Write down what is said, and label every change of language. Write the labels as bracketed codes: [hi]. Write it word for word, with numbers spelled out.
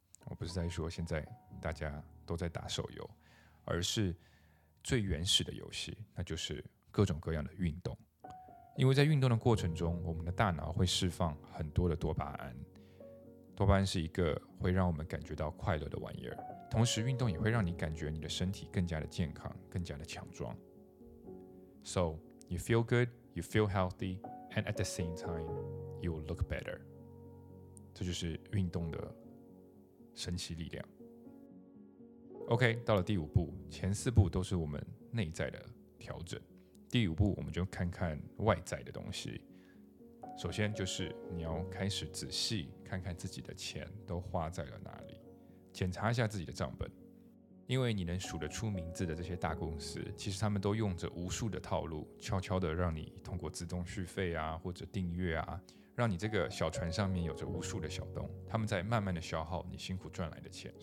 [zh] 我不是在说现在大家都在打手游，而是最原始的游戏，那就是各种各样的运动。因为在运动的过程中，我们的大脑会释放很多的多巴胺，多巴胺是一个会让我们感觉到快乐的玩意儿。同时，运动也会让你感觉你的身体更加的健康，更加的强壮。 [en] So you feel good, you feel healthy, and at the same time, you will look better. [zh] 这就是运动的神奇力量。OK， 到了第五步，前四步都是我们内在的调整，第五步我们就看看外在的东西。首先就是你要开始仔细看看自己的钱都花在了哪里，检查一下自己的账本，因为你能数得出名字的这些大公司，其实他们都用着无数的套路，悄悄的让你通过自动续费啊，或者订阅啊，让你这个小船上面有着无数的小洞，他们在慢慢的消耗你辛苦赚来的钱。